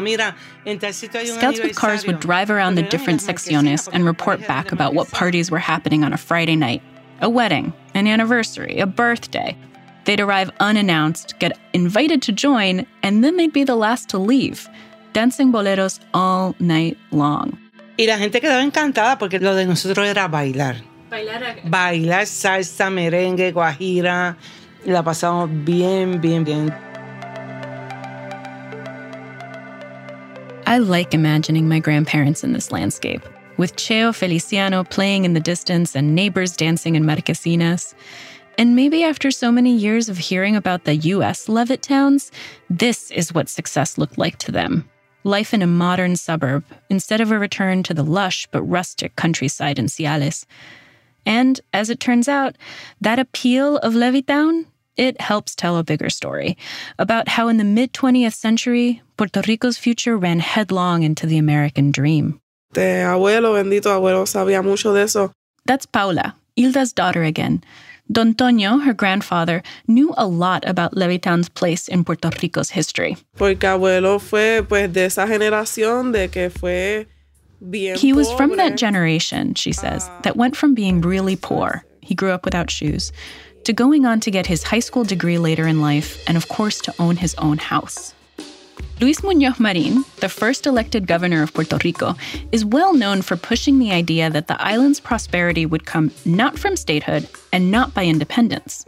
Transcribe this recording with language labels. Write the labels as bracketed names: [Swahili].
[Spanish] Mira, en tal sitio hay un [English] Scouts with cars would drive around the different secciones and report back about what parties were happening on a Friday night. A wedding, an anniversary, a birthday. They'd arrive unannounced, get invited to join, and then they'd be the last to leave. dancing boleros all night long. [Spanish] Y la gente quedaba encantada porque lo de nosotros era bailar. Bailar salsa, merengue, guajira. Y la pasamos bien, bien, bien. [English] I like imagining my grandparents in this landscape, with Cheo Feliciano playing in the distance and neighbors dancing in marquesinas. And maybe after so many years of hearing about the U.S. Levitt towns, this is what success looked like to them. Life in a modern suburb, instead of a return to the lush but rustic countryside in Ciales. And as it turns out, that appeal of Levittown, it helps tell a bigger story about how in the mid-20th century, Puerto Rico's future ran headlong into the American dream. [Spanish] Te abuelo, bendito abuelo, sabía mucho de eso. [English] That's Paula, Hilda's daughter again. Don Toño, her grandfather, knew a lot about Levittown's place in Puerto Rico's history. [Spanish] Porque abuelo fue, pues, de esa generación de que fue bien pobre. [English] He was from that generation, she says, that went from being really poor, he grew up without shoes, to going on to get his high school degree later in life, and of course to own his own house. Luis Muñoz Marín, the first elected governor of Puerto Rico, is well known for pushing the idea that the island's prosperity would come not from statehood and not by independence.